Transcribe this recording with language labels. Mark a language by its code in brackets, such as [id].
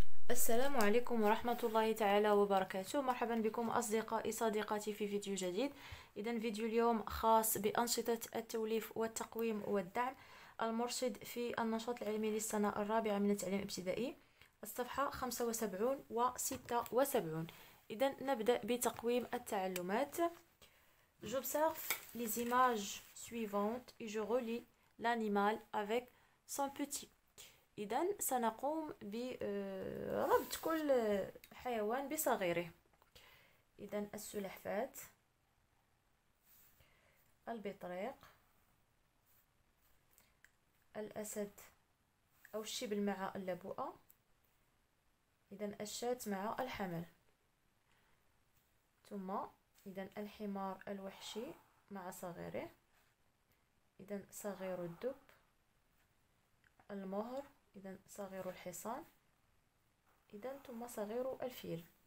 [ar] السلام عليكم ورحمة الله تعالى وبركاته. مرحبا بكم أصدقائي صديقاتي في فيديو جديد. إذا فيديو اليوم خاص بأنشطة التوليف والتقويم والدعم المرشد في النشاط العلمي للسنة الرابعة من التعليم الابتدائي، الصفحة 75 و76. إذا نبدأ بتقويم التعلمات. [fr] J'observe les images suivantes et je relis l'animal avec son petit. [ar] إذا سنقوم بربط كل حيوان بصغيره. إذا السلحفاة، البطريق، الأسد أو الشبل مع اللبؤة، إذا الشاة مع الحمل، ثم إذا الحمار الوحشي مع صغيره، إذا صغير الدب، المهر، إذا صغير الحصان، إذا ثم صغير الفيل.